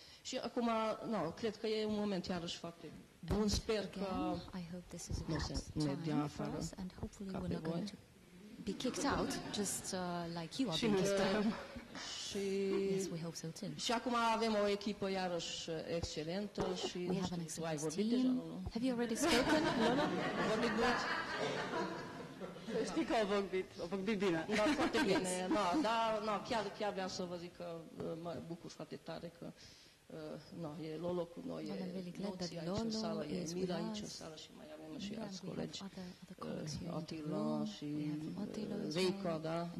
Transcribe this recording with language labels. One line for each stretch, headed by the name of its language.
Romanian: Și acum, no, cred că e un moment iarăși foarte bun, sper că nu se ne dea afară ca pe voi.
English: Be kicked out, just like you are being kicked out. Yes, we hope so too.
Romanian: Și acum avem o echipă iarăși excelentă și
English: we have an excellent team. Have you already spoken?
Romanian: No, no. Vorbit mult. Știi că au vorbit bine. Da, foarte bine. No, dar no, chiar vreau să vă zic că mă bucur foarte tare că no, e Lolo cu noi, e Noții aici în sală, e Mila aici în sală și mai și alți colegi, Otilo și Reiko, da,